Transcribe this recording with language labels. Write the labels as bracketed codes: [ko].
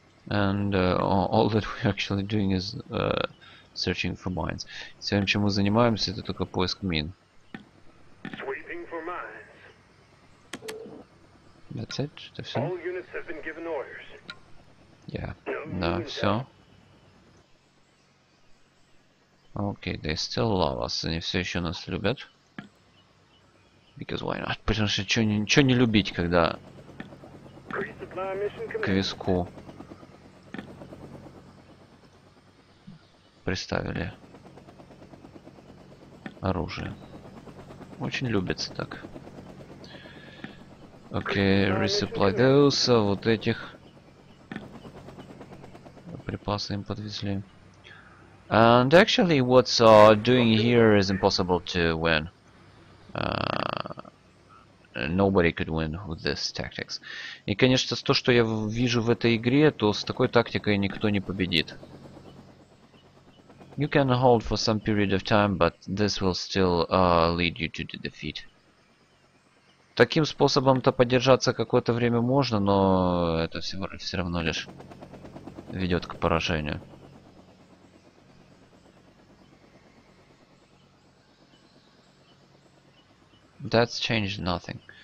[en] And all that we're actually doing is searching for mines. [ru] Всем, чем мы занимаемся, это только поиск мин. [en] Sweeping for mines. That's it? [ru] Это все? [en] All units have been given orders. Yeah. No, [ru] да, все. [en] Okay, they still love us. [ru] Они все еще нас любят. [en] Because why not? [ru] Потому что ничего не любить, когда к виску приставили оружие. Очень любится так. [en] Окей, resupply those. [ru] Вот этих припасы им подвезли. [en] And actually, what's doing here is impossible to win. Nobody could win with this tactics. [ru] И, конечно, то, что я вижу в этой игре, то с такой тактикой никто не победит. [en] You can hold for some period of time, but this will still lead you to the defeat. [ru] Таким способом-то подержаться какое-то время можно, но это все равно лишь ведет к поражению. [en] That's changed nothing.